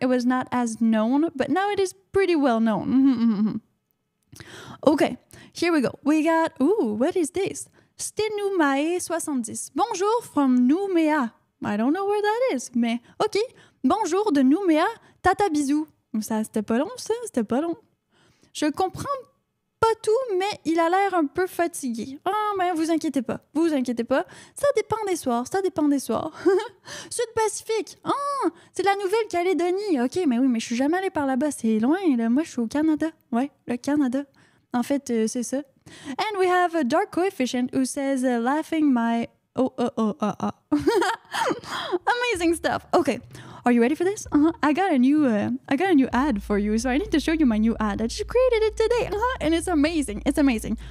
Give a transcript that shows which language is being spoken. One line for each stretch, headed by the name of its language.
English: It was not as known. But now it is pretty well known. Okay, here we go. We got, what is this? Stenumae 70.
French: Bonjour
English: from Nouméa. I don't know where that is,
French: mais ok. Bonjour de Nouméa, tata bisou. Ça, c'était pas long, ça? C'était pas long. Je comprends pas tout, mais il a l'air un peu fatigué. Ah, mais vous inquiétez pas, vous inquiétez pas. Ça dépend des soirs, ça dépend des soirs. Sud-Pacifique, ah, c'est la Nouvelle-Calédonie. Ok, mais oui, mais je suis jamais allée par là-bas, c'est loin. Là. Moi, je suis au Canada. Ouais, le Canada. En fait, c'est ça.
English: And we have a dark coefficient who says, laughing my... Amazing stuff. Okay, are you ready for this? Uh-huh. I got a new ad for you. So I need to show you my new ad. I just created it today. Uh-huh. And it's amazing. It's amazing.